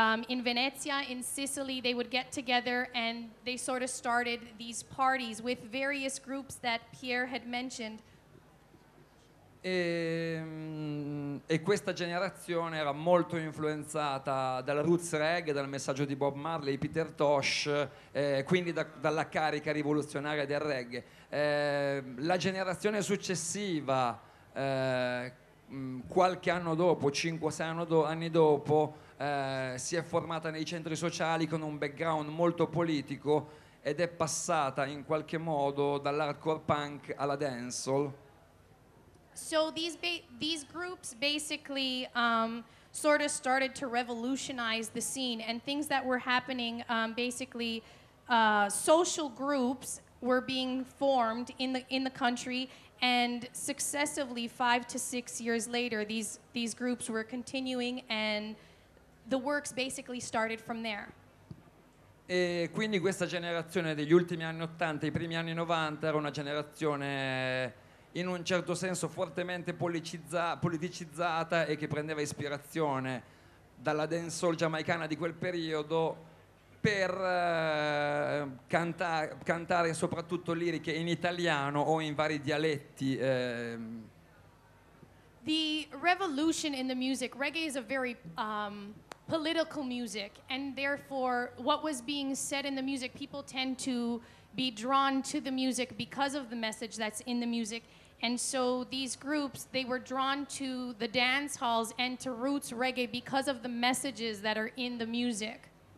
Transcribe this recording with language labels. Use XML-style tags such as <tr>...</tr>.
<en>In Venezia, in Sicily, they would get together and they sort of started these parties with various groups that Pierre had mentioned.</en> <it>E questa generazione era molto influenzata dal roots reggae, dal messaggio di Bob Marley, Peter Tosh, quindi dalla carica rivoluzionaria del reggae. La generazione successiva, qualche anno dopo, 5-6 anni dopo, si è formata nei centri sociali con un background molto politico ed è passata in qualche modo dall'hardcore punk alla dancehall.</it> <en>So these groups basically sort of started to revolutionize the scene, and things that were happening, social groups were being formed in the country, and successively 5 to 6 years later, these groups were continuing, and the works basically started from there.</en> <it>E quindi questa generazione degli ultimi anni 80, i primi anni 90, era una generazione in un certo senso fortemente politicizzata e che prendeva ispirazione dalla dancehall giamaicana di quel periodo per cantare soprattutto liriche in italiano o in vari dialetti.</it> <en>The revolution in the music, reggae is a very political music, and therefore what was being said in the music, people tend to be drawn to the music because of the message that's in the music. And so these groups, they were drawn to the dance halls and to roots reggae because of the messages that are in the music.</en>